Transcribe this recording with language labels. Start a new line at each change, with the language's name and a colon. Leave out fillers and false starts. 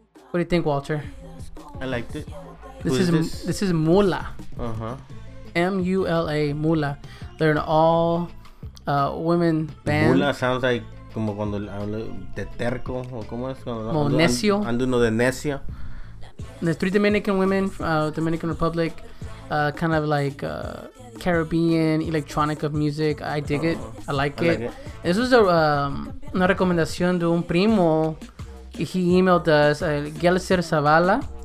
English: What do you think, Walter? I liked it. This is Mula. Mula, Mula. They're an all women band.
Spanish: Mula
English: sounds like
Spanish: como cuando hablo de terco o cómo es cuando como necio. Ando uno de necio.
English: The three Dominican women, Dominican Republic, kind of like Caribbean electronic of music. I dig it. I like it. This was a
Spanish: una recomendación de un primo.
English: He emailed us, Gelser Zavala.